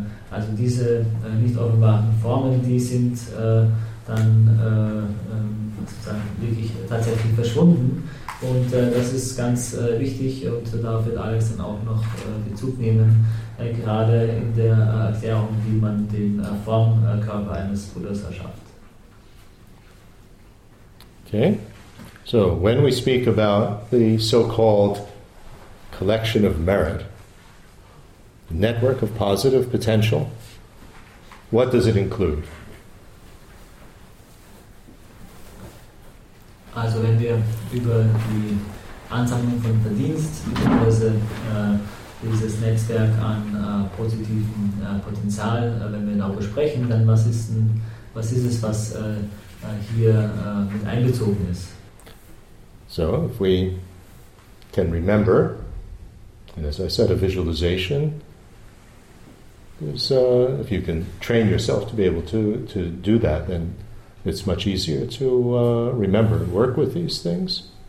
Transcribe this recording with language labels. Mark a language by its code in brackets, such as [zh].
[de] Also diese nicht offenbaren Formen, die sind dann sozusagen wirklich tatsächlich verschwunden. Und das ist ganz wichtig, und da wird Alex dann auch noch Bezug nehmen, gerade in der Erklärung, wie man den Formkörper eines Buddhas erschafft. [en] Okay, so when we speak about the so-called collection of merit, network of positive potential, what does it include? [de] Also wenn wir über die Ansammlung von Verdienst, beziehungsweise dieses Netzwerk an positivem Potenzial, wenn wir darüber sprechen, dann was ist es, was hier mit einbezogen ist? [en] So, if we can remember, and as I said, a visualization, is, if you can train yourself to be able to do that, then it's much easier to remember and work with these things.